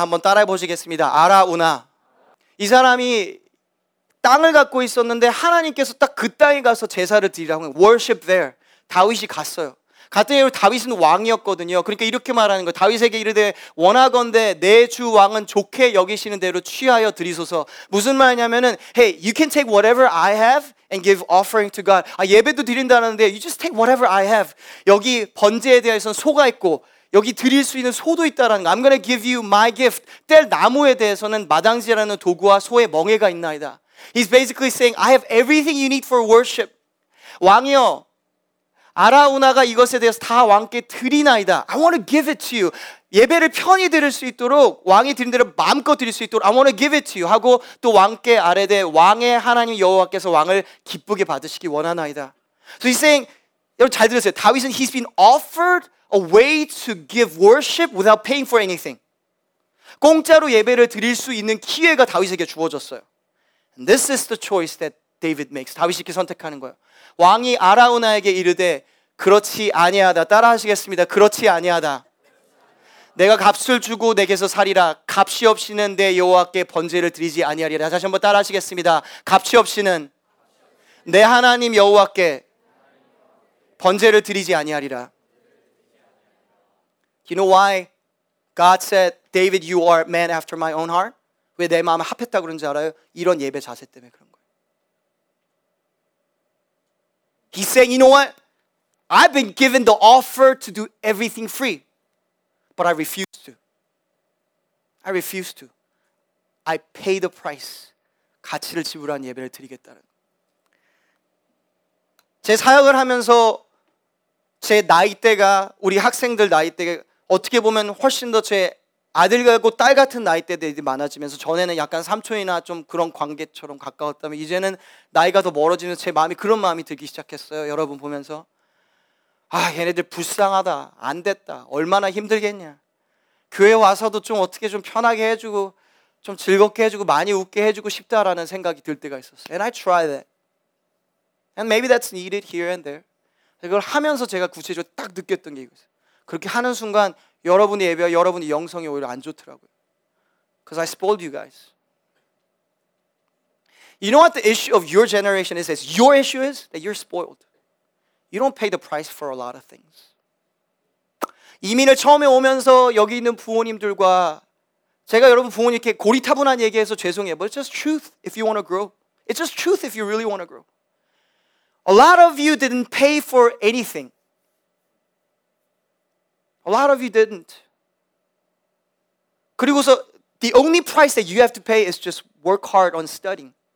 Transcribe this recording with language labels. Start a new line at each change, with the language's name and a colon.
Korean: 한번 따라해보시겠습니다. 아라우나. 이 사람이 땅을 갖고 있었는데 하나님께서 딱 그 땅에 가서 제사를 드리라고
English: worship there.
Korean: 다윗이 갔어요. 같은 예로 다윗은 왕이었거든요. 그러니까 이렇게 말하는 거예요. 다윗에게 이르되 원하건대 내 주 왕은 좋게 여기시는 대로 취하여 드리소서. 무슨 말이냐면은
English: Hey, you can take whatever I have and give offering to God.
Korean: 아, 예배도 드린다는데
English: You just take whatever I have.
Korean: 여기 번제에 대해서는 소가 있고 여기 드릴 수 있는 소도 있다라는 거.
English: I'm gonna give you my gift.
Korean: 뗄 나무에 대해서는 마당지라는 도구와 소의 멍에가 있나이다.
English: He's basically saying I have everything you need for worship.
Korean: 왕이여 아라우나가 이것에 대해서 다 왕께 드리나이다.
English: I want to give it to you.
Korean: 예배를 편히 드릴 수 있도록 왕이 드린 대로 마음껏 드릴 수 있도록 I want to give it to you 하고 또 왕께 아뢰되 왕의 하나님 여호와께서 왕을 기쁘게 받으시기 원하나이다.
English: So he's saying
Korean: 여러분 잘 들으세요. 다윗은
English: he's been offered a way to give worship without paying for anything.
Korean: 공짜로 예배를 드릴 수 있는 기회가 다윗에게 주어졌어요.
English: And this is the choice that David makes.
Korean: 다윗이 이렇게 선택하는 거예요. 왕이 아라우나에게 이르되 그렇지 아니하다. 따라하시겠습니다. 그렇지 아니하다. 내가 값을 주고 내게서 사리라. 값이 없이는 내 여호와께 번제를 드리지 아니하리라. 다시 한번 따라하시겠습니다. 값이 없이는 내 하나님 여호와께 번제를 드리지 아니하리라.
English: You know why God said, David, you are man after my own heart?
Korean: 왜 내 마음에 합했다 그런지 알아요? 이런 예배 자세 때문에 그런 거예요.
English: He's saying, you know what? I've been given the offer to do everything free. But I refuse to. I refuse to. I pay the price.
Korean: 가치를 지불한 예배를 드리겠다는. 제 사역을 하면서 제 나이대가 우리 학생들 나이대가 어떻게 보면 훨씬 더 제 아들 같고 딸 같은 나이대들이 많아지면서 전에는 약간 삼촌이나 좀 그런 관계처럼 가까웠다면 이제는 나이가 더 멀어지면서 제 마음이 그런 마음이 들기 시작했어요. 여러분 보면서 아 얘네들 불쌍하다 안 됐다 얼마나 힘들겠냐 교회 와서도 좀 어떻게 좀 편하게 해주고 좀 즐겁게 해주고 많이 웃게 해주고 싶다라는 생각이 들 때가 있었어요.
English: And I try that. And maybe that's needed here and there.
Korean: 이걸 하면서 제가 구체적으로 딱 느꼈던 게 이거였어요. 그렇게 하는 순간 여러분의 예배와 여러분의 영성이 오히려 안 좋더라고요.
English: Because I spoiled you guys. You know what the issue of your generation is? Your issue is that you're spoiled. You don't pay the price for a lot of things.
Korean: 이민을 처음에 오면서 여기 있는 부모님들과 제가 여러분 부모님께 고리타분한 얘기해서 죄송해요.
English: But it's just truth if you want to grow. It's just truth if you really want to grow. A lot of you didn't pay for anything. A lot of you didn't. 그리고서 the only price that you have to pay is just work hard on studying.